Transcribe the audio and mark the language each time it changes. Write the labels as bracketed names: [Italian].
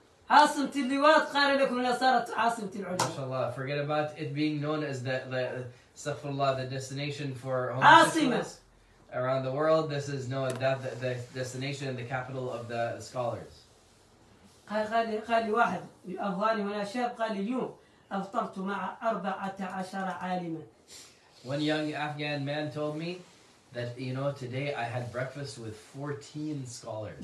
[Arabic] عاصمة اللواط قال لكم أنها صارت عاصمة العلماء. ما شاء الله. [English] Forget about it being known as the استغفر الله the destination for [Arabic] عاصمة. [English] Around the world, this is known that the destination and the capital of the scholars. [Arabic] قال لي واحد أفغاني وأنا شاب قال لي اليوم أفطرت مع 14 عالما. [English] One young Afghan man told me that you know today I had breakfast with 14 scholars.